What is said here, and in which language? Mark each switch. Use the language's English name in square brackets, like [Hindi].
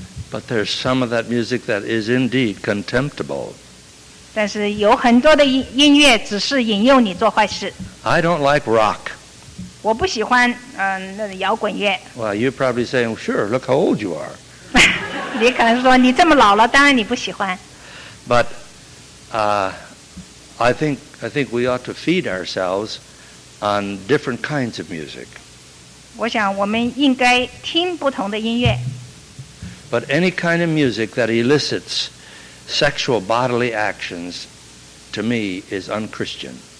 [English] But there's some of that music that is indeed contemptible. [Chinese] 但是有很多的音乐只是引诱你做坏事。 [English] I don't like rock. [Chinese] 我不喜欢那摇滚乐。 [English] Well, you're probably saying, sure, look how old you are. [Chinese] 你可能说你这么老了，当然你不喜欢。 [English] But I think we ought to feed ourselves on different kinds of music. [Chinese] 我想我们应该听不同的音乐。 [English] But any kind of music that elicits sexual bodily actions to me is unchristian.